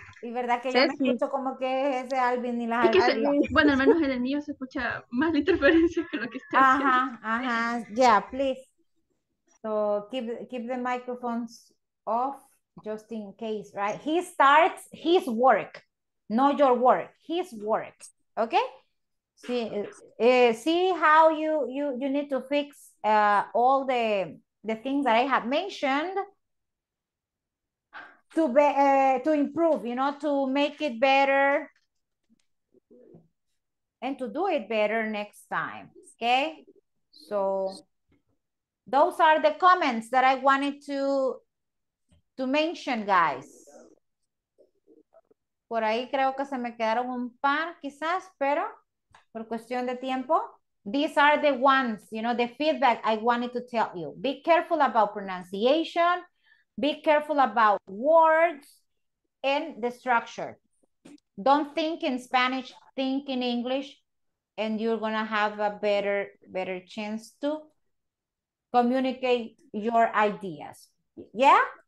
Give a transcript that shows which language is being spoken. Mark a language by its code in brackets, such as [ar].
[es] Y verdad que yo me escucho como que es ese Alvin y las es que Alvin. Bueno, al menos en el mío se escucha más la interferencia que lo que está haciendo. Ajá, ajá. [en] Yeah, please. So keep the microphones off just in case, right? He starts his work, not your work, his work. Okay? See how you need to fix all the things that I have mentioned to improve, you know, to make it better and to do it better next time. Okay? So those are the comments that I wanted to mention, guys. [es] Por ahí creo que se me quedaron un par, quizás, pero por cuestión de tiempo. [en] These are the ones, you know, the feedback I wanted to tell you. Be careful about pronunciation. Be careful about words and the structure. Don't think in Spanish, think in English, and you're gonna have a better chance to communicate your ideas. Yeah?